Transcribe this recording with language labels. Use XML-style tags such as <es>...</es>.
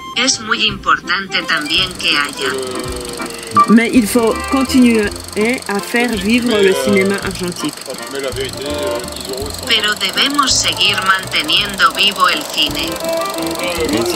<es>Es muy importante también que haya.</es> <fr>Mais il faut continuer à faire vivre le cinéma argentique.</fr> <es>Pero debemos seguir manteniendo vivo el cine.</es>